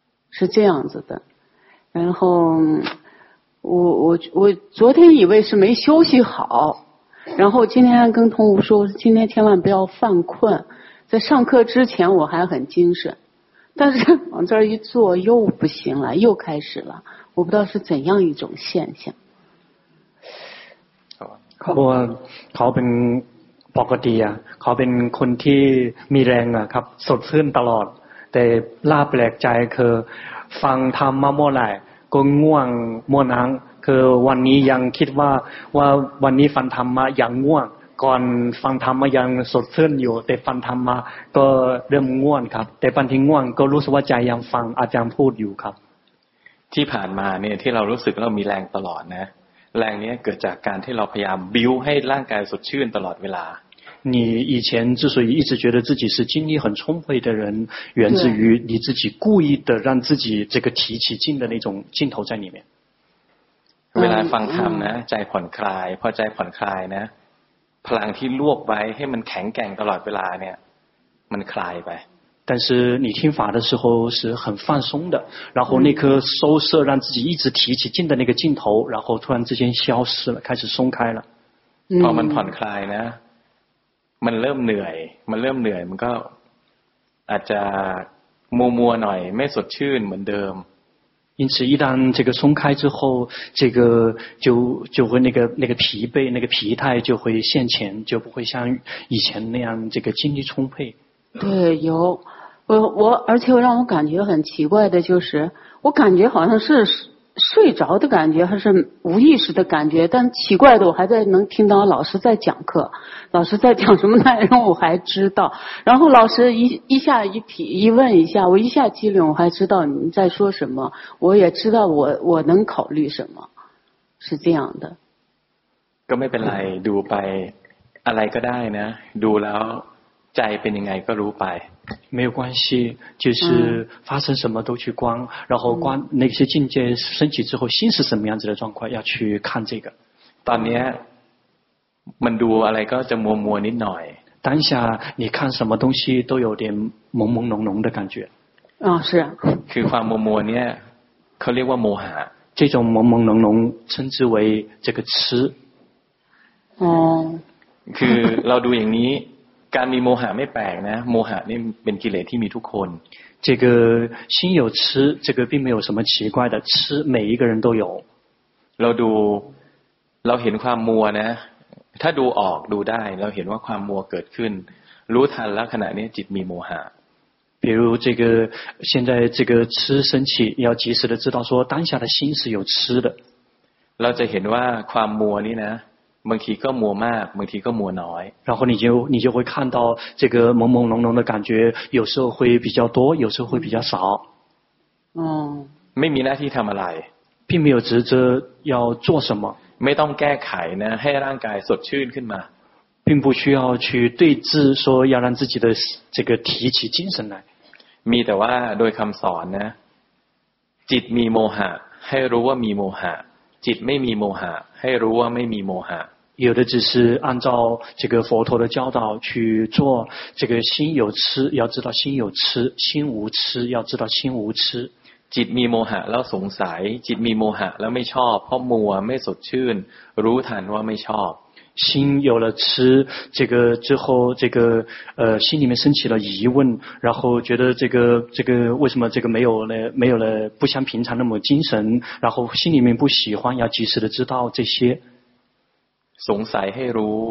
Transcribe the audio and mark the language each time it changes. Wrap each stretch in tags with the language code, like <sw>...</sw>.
<zh>是这样子的然后我昨天以为是没休息好然后今天跟同吴说今天千万不要犯困在上课之前我还很精神但是往这儿一坐又不行了又开始了我不知道是怎样一种现象</zh> <th>เขาเป็นปกติอ่ะเขาเป็นคนที่มีแรงอ่ะครับสดชื่นตลอดแต่ล่าแปลกใจคือฟังธรรมมาเมื่อไหร่ก็ง่วงเมื่อนั้นคือวันนี้ยังคิดว่าวันนี้ฟังธรรมมายังง่วงก่อนฟังธรรมมายังสดชื่นอยู่แต่ฟังธรรมมาก็เริ่มง่วงครับแต่บางทีง่วงก็รู้สึกว่าใจยังฟังอาจารย์พูดอยู่ครับ ที่ผ่านมาเนี่ยที่เรารู้สึกเรามีแรงตลอดนะแรงนี้เกิดจากการที่เราพยายามบิ้วให้ร่างกายสดชื่นตลอดเวลา</th> <zh>你以前之所以一直觉得自己是精力很充沛的人源自于你自己故意的让自己这个提起劲的那种劲头在里面</zh> <th>เวลาฟังธรรมนะใจผ่อนคลายพอใจผ่อนคลายนะพลังที่รวบไว้ให้มันแข็งแกร่งตลอดเวลาเนี่ยมันคลายไป</th> <zh>但是你听法的时候是很放松的然后那颗收摄让自己一直提起劲的那个劲头然后突然之间消失了开始松开了</zh> <th>พอมันผ่อนคลายนะมันเริ่มเหนื่อยมันเริ่มเหนื่อยมันก็อาจจะมัวมัวหน่อยไม่สดชื่นเหมือนเดิม</th> <zh>因此一旦这个松开之后这个就会那个疲惫那个疲态就会现前就不会像以前那样这个精力充沛对有我而且让我感觉很奇怪的就是我感觉好像是睡着的感觉还是无意识的感觉但奇怪的我还在能听到老师在讲课老师在讲什么内容我还知道然后老师一下一提一问一下我一下机灵我还知道你们在说什么我也知道我能考虑什么是这样的</zh> <th>ก็ไม่เป็นไรดูไปอะไรก็ได้นะดูแล้วใจเป็นยังไงก็รู้ไป</th> <zh>没有关系就是发生什么都去观然后观那些境界升起之后心是什么样子的状况要去看这个</zh> <th>ตอนนี้มันดูอะไรก็จะมัวมัวนิดหน่อย</th> <zh>当下你看什么东西都有点朦朦胧胧的感觉啊是啊</zh> <th>คือความมัวมัวเนี่ยเขาเรียกว่าโมหะ</th> <zh>这种朦朦胧胧称之为这个痴哦</zh> <th>คือเราดูอย่างนี้การมีโมหะไม่แปลกนะโมหะนี่เป็นกิเลสที่มีทุกคน</th> <zh>这个心有痴这个并没有什么奇怪的痴每一个人都有</zh> <th>เราดูเราเห็นความมัวนะถ้าดูออกดูได้เราเห็นว่าความมัวเกิดขึ้นรู้ทันแล้วขณะนี้จิตมีโมหะ</th> <zh>比如这个现在这个痴升起要及时的知道说当下的心是有痴的</zh> <th>เราจะเห็นว่าความมัวนี่นะบางทีก็มัวมากบางทีก็มัวน้อย</th> <zh>然后你就会看到这个朦朦胧胧的感觉有时候会比较多有时候会比较少</zh> <th>嗯ไม่มีหน้าที่ทำอะไร</th> <zh>并没有职责要做什么</zh> <th>ไม่ต้องแก้ไขนะให้ร่างกายสดชื่นขึ้นมา</th> <zh>并不需要去对治说要让自己的这个提起精神来</zh> <th>มีแต่ว่าโดยคำสอนนะจิตมีโมหะให้รู้ว่ามีโมหะจิตไม่มีโมหะให้รู้ว่าไม่มีโมหะ</th> <zh>有的只是按照这个佛陀的教导去做这个心有痴要知道心有痴心无痴要知道心无痴</zh> <th>จิตมีโมหะแล้วสงสัยจิตมีโมหะแล้วไม่ชอบเพราะมัวไม่สดชื่นรู้ทันว่าไม่ชอบ</th> <zh>心有了痴这个之后这个心里面升起了疑问然后觉得这个为什么这个没有了不像平常那么精神然后心里面不喜欢要及时的知道这些</zh> <th>สงสัยให้รู</th>